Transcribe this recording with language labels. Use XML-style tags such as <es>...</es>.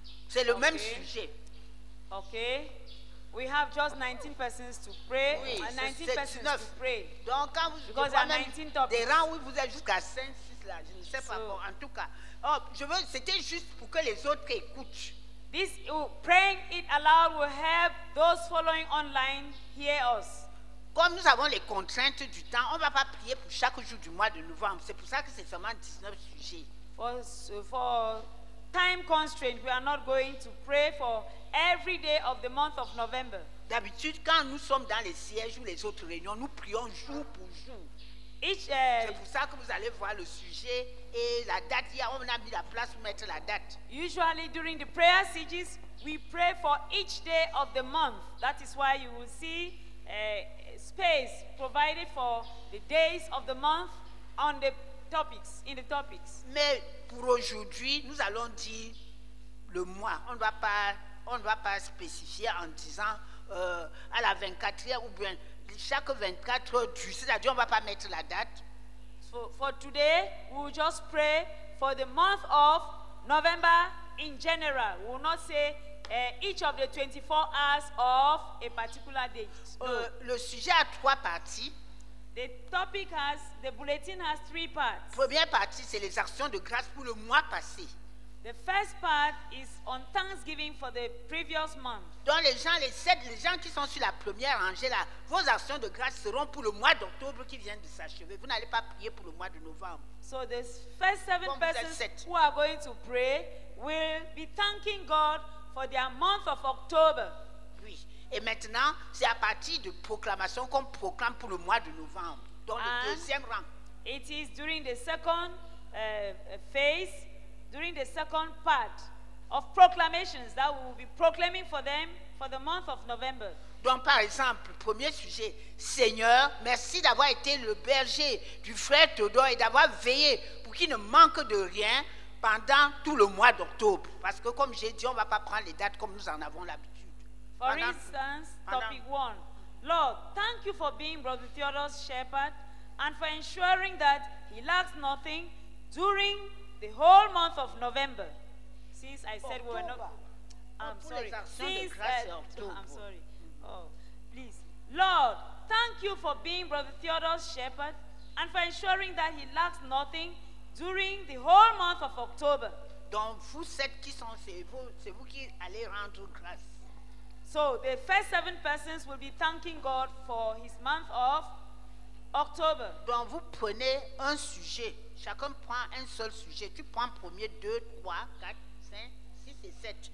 <fr>C'est le okay. même sujet.</fr> <en>OK. We have just 19 persons to pray.</en> <fr>Oui, 19 c'est</fr> <en>persons</en> <fr>9.</fr> <en>To pray.</en> <fr>Donc quand vous</fr> <en>because there are 19 topics.</en> <fr>Des rangs où vous êtes jusqu'à 5, 6 là, je ne sais pas. Bon, en tout cas, c'était juste pour que les autres écoutent.</fr> <en>This praying it aloud will help those following online hear us.</en> <fr>Comme nous avons les contraintes du temps, on ne va pas prier pour chaque jour du mois de novembre. C'est pour ça que c'est seulement 19 sujets.</fr> <en>For time constraint, we are not going to pray for every day of the month of November.</en> <fr>D'habitude, quand nous sommes dans les sièges ou les autres réunions, nous prions jour pour jour. C'est pour ça que vous allez voir le sujet et la date. Hier, on a mis la place pour mettre la date.</fr> <en>Usually, during the prayer sieges, we pray for each day of the month. That is why you will see space provided for the days of the month on the topics, in the topics.</en> <fr>Mais pour aujourd'hui, nous allons dire le mois. On ne va pas spécifier en disant à la 24e ou bien chaque 24 heures du, c'est-à-dire on ne va pas mettre la date.</fr> <en>For today, we'll just pray for the month of November in general. We will not say each of the 24 hours of a particular date. No.</en> <fr>Le sujet a trois parties.</fr> <en>The bulletin has three parts.</en> <fr>Première partie, c'est les actions de grâce pour le mois passé.</fr> <en>The first part is on Thanksgiving for the previous month.</en> <fr>Donc les gens qui sont sur la première rangée là, vos actions de grâce seront pour le mois d'octobre qui vient de s'achever. Vous n'allez pas prier pour le mois de novembre.</fr> <en>So the first seven persons who are going to pray will be thanking God for their month of October.</en> <fr>Oui. Et maintenant, c'est à partir de proclamation qu'on proclame pour le mois de novembre, dans le deuxième rang.</fr> <en>It is during the second phase. During the second part of proclamations that we will be proclaiming for them for the month of November.</en> <fr>Donc, par exemple, premier sujet, Seigneur, merci d'avoir été le berger du frère Théodore et d'avoir veillé pour qu'il ne manque de rien pendant tout le mois d'octobre. Parce que, comme j'ai dit, on ne va pas prendre les dates comme nous en avons l'habitude.</fr> <en>Topic 1. Lord, thank you for being Brother Theodore's shepherd and for ensuring that he lacks nothing during the whole month of November, since I said October. We were not. I'm sorry. Please. Lord, thank you for being Brother Theodore's shepherd and for ensuring that he lacks nothing during the whole month of October.</en> <fr>Donc, vous êtes qui sont, c'est vous qui allez rendre grâce.</fr> <en>So, the first seven persons will be thanking God for his month of October.</en> <fr>Donc, vous prenez un sujet. Chacun prend un seul sujet. Tu prends premier 2, 3, 4, 5, 6 et 7.</fr>